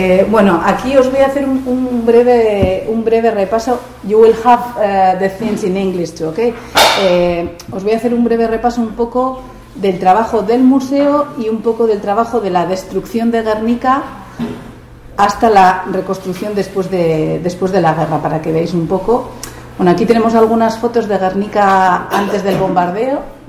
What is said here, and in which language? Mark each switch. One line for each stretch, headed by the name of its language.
Spanish: Bueno, aquí os voy a hacer un breve repaso.
English: You will have the things in English too, okay?
Spanish: Os voy a hacer un breve repaso un poco del trabajo del museo y un poco del trabajo de la destrucción de Guernica hasta la reconstrucción después de la guerra, para que veáis un poco. Bueno, aquí tenemos algunas fotos de Guernica antes del bombardeo.